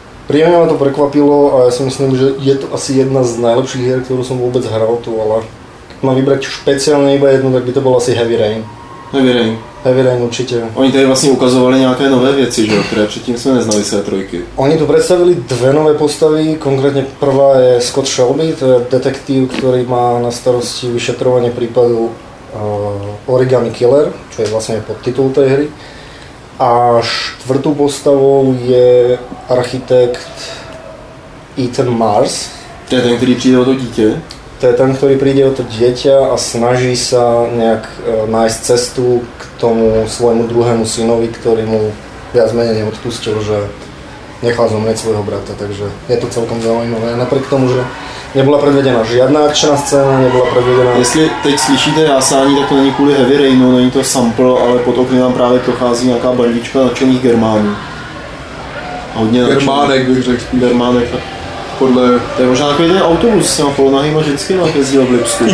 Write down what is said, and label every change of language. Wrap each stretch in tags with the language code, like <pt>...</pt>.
<sk>Príjemne ma to prekvapilo a ja si myslím, že je to asi jedna z najlepších hier, ktorú som vôbec hral tu, ale keď mám vybrať špeciálne iba jednu, tak by to bol asi Heavy Rain. Heavy Rain.</sk> <cs>Heavy Rain určitě. Oni tady vlastně ukazovali nějaké nové věci, že? Které předtím jsme neznali své trojky. Oni tu představili dvě nové postavy, konkrétně prvá je Scott Shelby, to je detektiv, který má na starosti vyšetřování případu Origami Killer, čo je vlastně podtitul té hry. A čtvrtou postavou je architekt Ethan Mars. To je ten, který přijde o to dítě.</cs> <sk>To je ten, ktorý príde o to dieťa a snaží sa nejak nájsť cestu k tomu svojmu druhému synovi, ktorý mu viac menej neodpustil, že nechal zomrieť svojho brata. Takže je to celkom zaujímavé. Napriek tomu, že nebola predvedená žiadna akčná scéna, nebola predvedená...</sk> <cs>Jestli teď slyšíte jasání, tak to není kvôli Heavy Rainu, není to sample, ale pod okny nám práve prochází nejaká bandička nadšených Germánů. Hodně nadšených. Germánek bych řekl. Germánek. To je možná takový ten autobus s těma polonahýma ženskýma, jak jezdí v Lipsku.</cs>